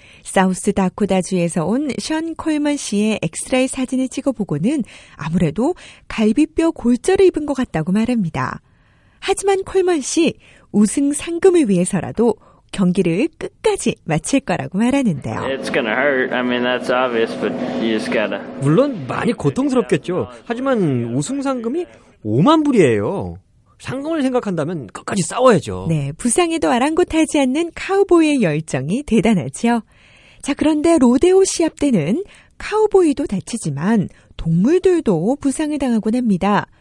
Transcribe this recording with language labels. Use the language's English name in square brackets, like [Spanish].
[Korean] 사우스 다코다주에서 온 션 콜먼 씨의 엑스레이 사진을 찍어보고는 아무래도 갈비뼈 골절을 입은 것 같다고 말합니다. 하지만 콜먼 씨, 우승 상금을 위해서라도 경기를 끝까지 마칠 거라고 말하는데요. [English] It's gonna hurt. I mean, that's obvious, but you just gotta. [Korean] 물론 많이 고통스럽겠죠. 하지만 우승 상금이 5만 불이에요. 상금을 생각한다면 끝까지 싸워야죠. 네, 부상에도 아랑곳하지 않는 카우보이의 열정이 대단하죠. 자, 그런데 로데오 시합 때는 카우보이도 다치지만 동물들도 부상을 당하곤 합니다.